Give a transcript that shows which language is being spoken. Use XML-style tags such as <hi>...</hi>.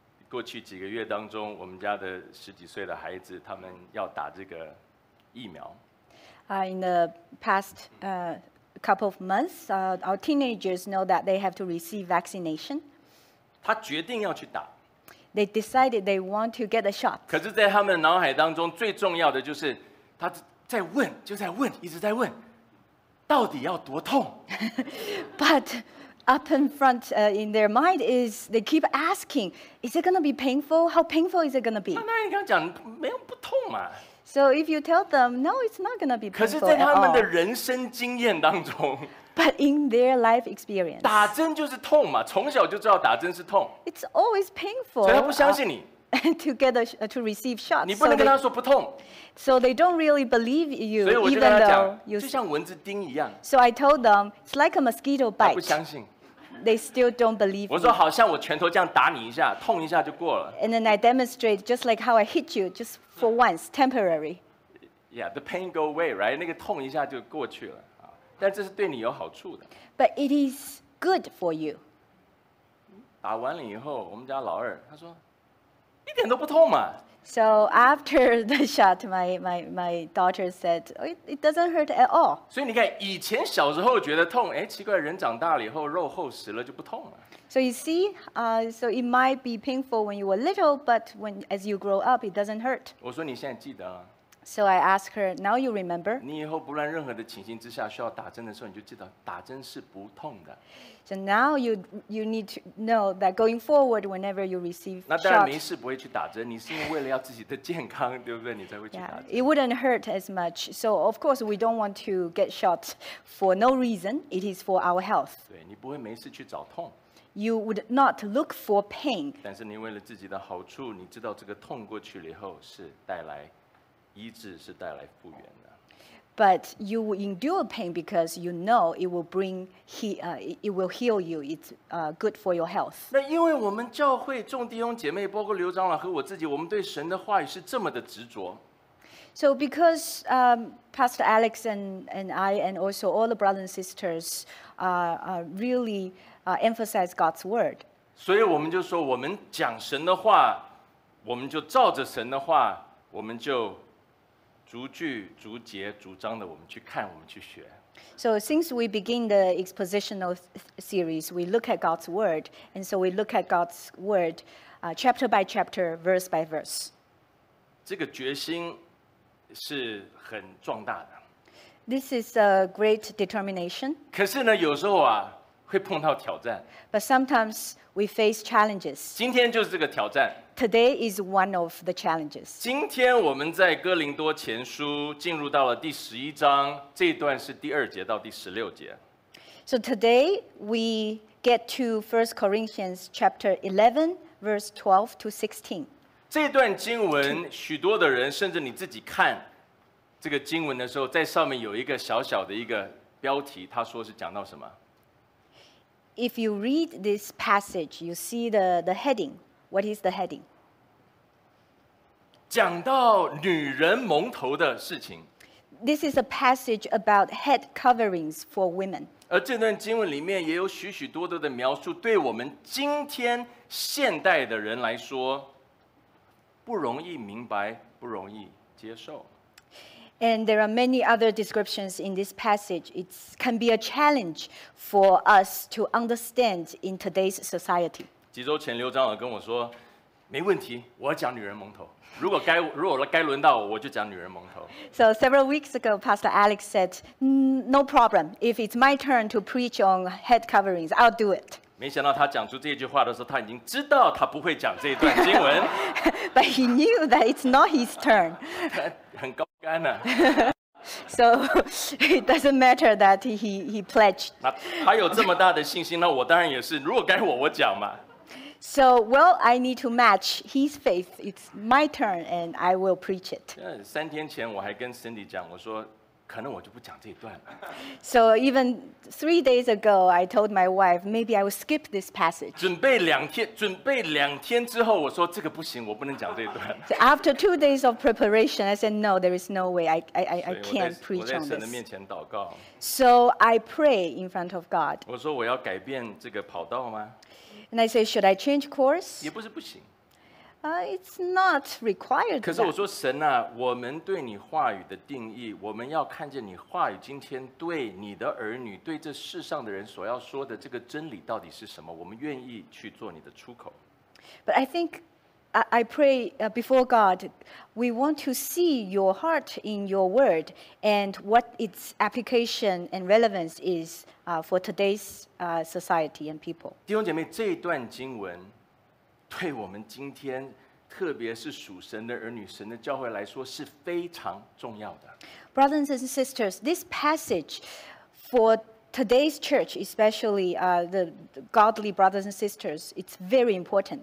<zh>过去几个月当中，我们家的十几岁的孩子，他们要打这个疫苗。</zh> <en>In the past couple of months, our teenagers know that they have to receive vaccination.</en> <zh>他决定要去打。</zh> <en>They decided they want to get a shot.</en> <zh>可是在他们脑海当中最重要的就是他在问，就在问，一直在问，到底要多痛。</zh> <en>But up in front, in their mind is they keep asking, is it going to be painful? How painful is it going to be?</en> <zh>那你刚讲没有不痛嘛。</zh> <en>So if you tell them, no, it's not going to be painful at all.</en> <zh>可是在他们的人生经验当中。</zh> <en>But in their life experience,</en> <zh>打针就是痛嘛，从小就知道打针是痛。</zh> <en>It's always painful.</en> <zh>所以他不相信你。</zh> <en>To receive shots,</en> <zh>你不能跟他说不痛。</zh> <en>So they don't really believe you.</en> <zh>所以我就跟他讲，就像蚊子叮一样。</zh> <en>So I told them it's like a mosquito bite.</en> <zh>他不相信。</zh> <en>They still don't believe.</en> <zh>我说好像我拳头这样打你一下，痛一下就过了。</zh> <en>And then I demonstrate just like how I hit you, just for once, temporary. Yeah, the pain go away, right?</en> <zh>那个痛一下就过去了。但这是对你有好处的。</zh> <en>But it is good for you.</en> <zh>打完了以后，我们家老二他说，一点都不痛嘛。</zh> <en>So after the shot, my daughter said, it doesn't hurt at all.</en> <zh>所以你看，以前小时候觉得痛，哎，奇怪，人长大了以后肉厚实了就不痛了。</zh> <en>So you see, so it might be painful when you were little, but when as you grow up, it doesn't hurt.</en> <zh>我说你现在记得啊。</zh> <en>So I asked her, now you remember?</en> <zh>你以后不论任何的情形之下需要打针的时候，你就记得打针是不痛的。</zh> <en>So now you need to know that going forward, whenever you receive shot,</en> <zh>那当然没事不会去打针，你是因为为了要自己的健康，对不对？你才会去打针。</zh> <en>Yeah, it wouldn't hurt as much. So of course, we don't want to get shot for no reason. It is for our health.</en> <zh>对，你不会没事去找痛。</zh> <en>You would not look for pain.</en> <zh>但是你为了自己的好处，你知道这个痛过去了以后是带来医治，是带来复原的。</zh> <en>But you will endure pain because you know it will bring it will heal you. It's good for your health.</en> <zh>那因为我们教会众弟兄姐妹，包括刘长老和我自己，我们对神的话语是这么的执着。</zh> <en>So because Pastor Alex and I and also all the brothers and sisters really emphasize God's word.</en> <zh>所以我们就说，我们讲神的话，我们就照着神的话，我们就逐句逐节逐章的我们去看，我们去学。</zh> <en>So since we begin the expositional series, we look at God's word, and so we look at God's word, chapter by chapter, verse by verse.</en> <zh>这个决心是很壮大的。</zh> <en>This is a great determination.</en> <zh>可是呢，有时候啊，会碰到挑战。</zh> <en>But sometimes we face challenges.</en> <zh>今天就是这个挑战。</zh> <en>Today is one of the challenges.</en> <zh>今天我们在哥林多前书进入到了第十一章，这一段是第二节到第十六节。</zh> <en>So today we get to 1 Corinthians chapter 11, verse 12 to 16.</en> <zh>这段经文，许多的人，甚至你自己看这个经文的时候，在上面有一个小小的一个标题，他说是讲到什么？</zh> <en>If you read this passage, you see the heading. What is the heading?</en> <zh>讲到女人蒙头的事情。</zh> <en>This is a passage about head coverings for women.</en> <zh>而这段经文里面也有许许多多的描述，对我们今天现代的人来说，不容易明白，不容易接受。</zh> <en>And there are many other descriptions in this passage. It can be a challenge for us to understand in today's society.</en> <zh>几周前刘长老跟我说，没问题，我要讲女人蒙头。如果该轮到我，我就讲女人蒙头。</zh> <en>So several weeks ago, Pastor Alex said, no problem. If it's my turn to preach on head coverings, I'll do it.</en> <zh>没想到他讲出这句话的时候，他已经知道他不会讲这一段经文。</zh> <en>But he knew that it's not his turn.</en> <zh>很高干啊。</zh> <en>So it doesn't matter that he pledged.</en> <zh>他有这么大的信心，那我当然也是，如果该我讲嘛。</zh> <en>So, well, I need to match his faith. It's my turn, and I will preach it.</en> <zh>三天前我还跟 Cindy 讲，我说可能我就不讲这一段了。</zh> <en>So even 3 days ago, I told my wife maybe I will skip this passage.</en> <zh>准备两天之后，我说这个不行，我不能讲这一段。</zh> <en>So after 2 days of preparation, I said no, there is no way I can't preach on this.</en> <zh>我在神的面前祷告。</zh> <en>So I pray in front of God.</en> <zh>我说我要改变这个跑道吗？</zh> <en>And I say, should I change course?</en> <zh>也不是不行。</zh> <en>It's not required.</en> <zh>可是我说神啊，我们对你话语的定义，我们要看见你话语今天对你的儿女，对这世上的人所要说的这个真理到底是什么，我们愿意去做你的出口。</zh> <en>But I think, I pray before God, we want to see your heart in your word and what its application and relevance is for today's society and people.</en> <zh>弟兄姐妹，这一段经文对我们今天，特别是属神的儿女、神的教会来说，是非常重要的。</zh> <en>Brothers and sisters, this passage for today's church, especially the godly brothers and sisters, it's very important.</en>